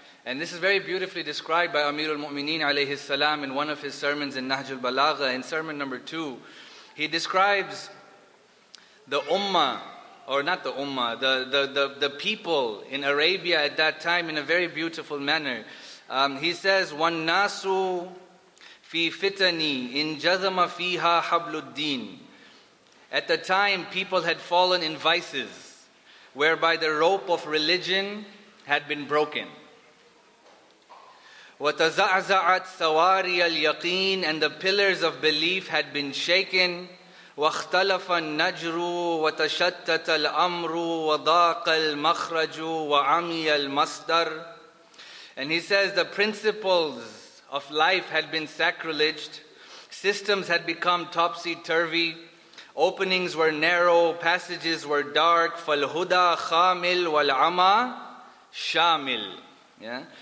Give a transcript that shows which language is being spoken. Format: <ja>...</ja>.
<en>And this is very beautifully described by Amir al-Mu'mineen alayhi salam in one of his sermons in Nahj al-Balagha, in sermon number 2. He describes the ummah, or not the ummah, the people in Arabia at that time in a very beautiful manner. He says,</en> <ar>وَالنَّاسُ فِي فِتَنِي إِنْ جَذَمَ فِيهَا حَبْلُ الدِّينِ.</ar> <en>At the time, people had fallen in vices whereby the rope of religion had been broken.</en> <ar>وَتَزَعْزَعَتْ سَوَارِيَ الْيَقِينِ.</ar> <en>And the pillars of belief had been shaken.</en> <ar>واختلف النجر وتشتت الامر وضاق المخرج وعمي المصدر.</ar> <en>And he says the principles of life had been sacrileged, systems had become topsy-turvy, openings were narrow, passages were dark.</en> <ar>فالهدى خامل والعمى شامل. Yeah.</ar>